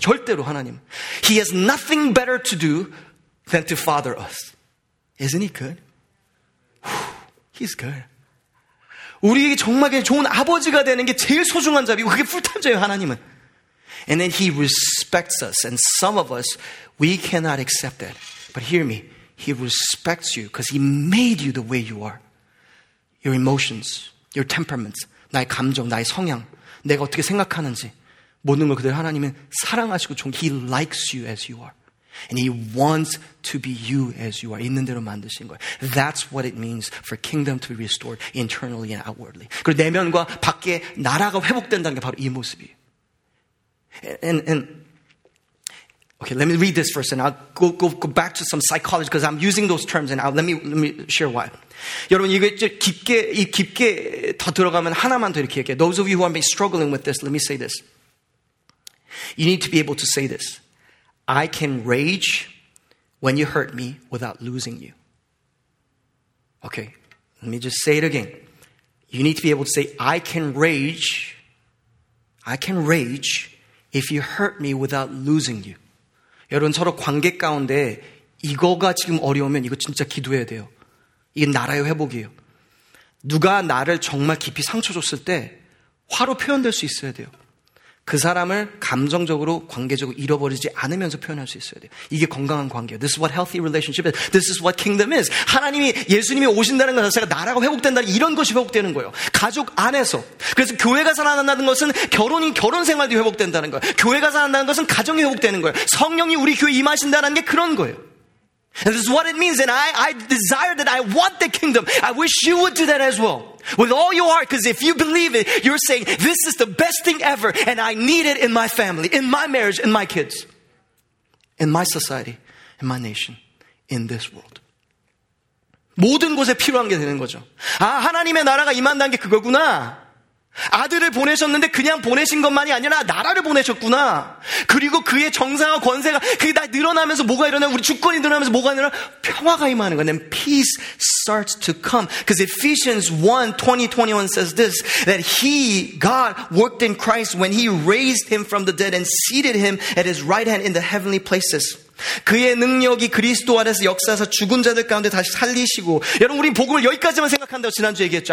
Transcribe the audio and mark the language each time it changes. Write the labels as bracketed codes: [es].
[ko] 절대로 하나님. [en] He has nothing better to do than to father us. Isn't he good? He's good. [ko] 우리에게 정말 좋은 아버지가 되는 게 제일 소중한 자비고 그게 풀타임자예요, 하나님은. [en] And then he respects us. And some of us, we cannot accept that. But hear me, he respects you because he made you the way you are. Your emotions, your temperaments, [ko] 나의 감정, 나의 성향, 내가 어떻게 생각하는지 모든 걸 그대로 하나님은 사랑하시고 좋은, [en] he likes you as you are. And he wants to be you as you are. [ko] 있는 대로 만드신 거예요. [en] That's what it means for kingdom to be restored internally and outwardly. [ko] 그리고 내면과 밖에 나라가 회복된다는 게 바로 이 모습이에요. And [en] Okay, let me read this first, and I'll go back to some psychology because I'm using those terms, and let me share why. [ko] 여러분 이거 깊게 더 들어가면 하나만 더 이렇게 할게요. [en] Those of you who are maybe struggling with this, let me say this. You need to be able to say this. I can rage when you hurt me without losing you. Okay, let me just say it again. You need to be able to say, I can rage if you hurt me without losing you. [ko] 여러분 서로 관계 가운데 이거가 지금 어려우면 이거 진짜 기도해야 돼요. 이건 나라의 회복이에요. 누가 나를 정말 깊이 상처 줬을 때 화로 표현될 수 있어야 돼요. 그 사람을 감정적으로 관계적으로 잃어버리지 않으면서 표현할 수 있어야 돼요. 이게 건강한 관계예요. [en] This is what healthy relationship is. This is what kingdom is. [ko] 하나님이 예수님이 오신다는 것 자체가 나라가 회복된다는 이런 것이 회복되는 거예요. 가족 안에서. 그래서 교회가 살아난다는 것은 결혼이 결혼 생활도 회복된다는 거예요. 교회가 살아난다는 것은 가정이 회복되는 거예요. 성령이 우리 교회에 임하신다는 게 그런 거예요. [en] And this is what it means, and I desire that I want the kingdom. I wish you would do that as well. With all your heart, because if you believe it, you're saying, this is the best thing ever, and I need it in my family, in my marriage, in my kids, in my society, in my nation, in this world. [ko] 모든 곳에 필요한 게 되는 거죠. 아, 하나님의 나라가 임한다는 게 그거구나. 아들을 보내셨는데 그냥 보내신 것만이 아니라 나라를 보내셨구나. 그리고 그의 정사와 권세가 그게 다 늘어나면서 뭐가 일어나? 우리 주권이 늘어나면서 뭐가 일어나? 평화가 임하는 거야. [en] And peace starts to come. Because Ephesians 1:20-21 says this, that he, God, worked in Christ when he raised him from the dead and seated him at his right hand in the heavenly places. [ko] 그의 능력이 그리스도 안에서 역사해서 죽은 자들 가운데 다시 살리시고 여러분 우리 복음을 여기까지만 생각한다고 지난주에 얘기했죠.